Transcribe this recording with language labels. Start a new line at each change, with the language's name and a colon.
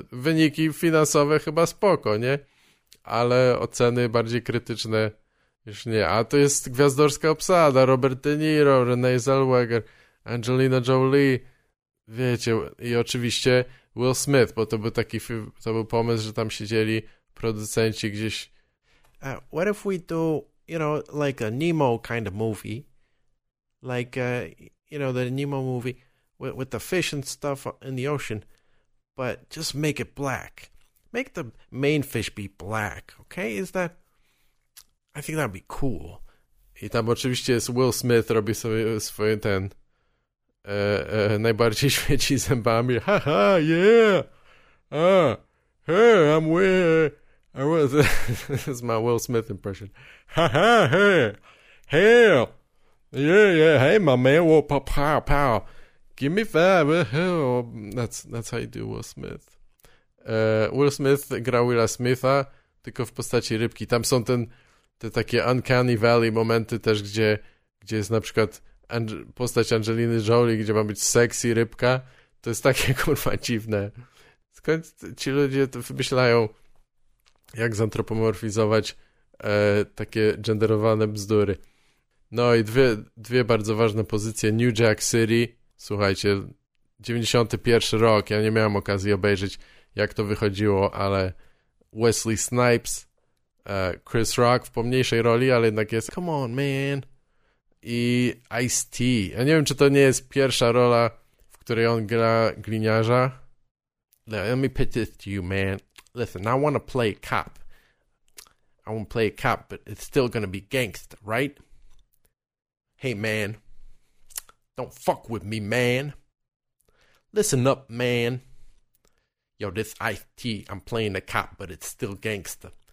Polish: Wyniki finansowe chyba spoko, nie? Ale oceny bardziej krytyczne już nie. A to jest gwiazdorska obsada. Robert De Niro, Renee Zellweger, Angelina Jolie. Wiecie, i oczywiście Will Smith, bo to był taki to był pomysł, że tam siedzieli producenci gdzieś.
English: What if we do, you know, like a Nemo kind of movie? Like, you know, the Nemo movie with the fish and stuff in the ocean, but just make it black. Make the main fish be black, okay? Is that... I think that'd be cool.
Polish: I tam oczywiście jest Will Smith, robi sobie swoje ten... najbardziej świeci zębami.
English: Ha, ha, yeah! Hey, I'm Will... this is my Will Smith impression. Ha, ha, hey! Hey! Yeah, yeah, hey, my man, whoa, pow, pow, pow. Give me five, that's how you do Will Smith.
Polish: Will Smith gra Willa Smitha, tylko w postaci rybki. Tam są te takie Uncanny Valley momenty też, gdzie jest na przykład postać Angeliny Jolie, gdzie ma być sexy rybka. To jest takie, kurwa, dziwne. Skąd ci ludzie to wymyślają, jak zantropomorfizować takie genderowane bzdury. No i dwie bardzo ważne pozycje. New Jack City, słuchajcie, 91 rok, ja nie miałem okazji obejrzeć, jak to wychodziło, ale Wesley Snipes, Chris Rock w pomniejszej roli, ale jednak jest
English: Come on, man!
Polish: I Ice-T. Ja nie wiem, czy to nie jest pierwsza rola, w której on gra gliniarza.
English: Let me put this to you, man. Listen, I want to play a cop. I want to play a cop, but it's still going to be gangsta, right? Hey, man, don't fuck with me, man. Listen up, man. Yo, this Ice-T, I'm playing a cop, but it's still gangsta.